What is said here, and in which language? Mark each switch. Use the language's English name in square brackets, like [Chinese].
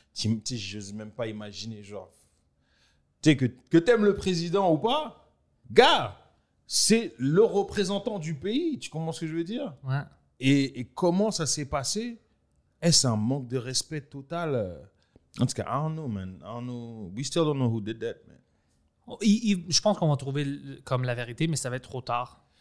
[French] Tu sais, j'ose même pas imaginer, genre. Tu sais, que t'aimes le président ou pas, gars! C'est le représentant du pays, tu comprends ce que je veux dire? Ouais. Et comment ça s'est passé? Est-ce un manque de respect total? [English] En tout cas, I don't know, man. I don't know. We still don't know who did that, man. [French] Je pense qu'on va trouver comme la vérité, mais ça va être trop tard.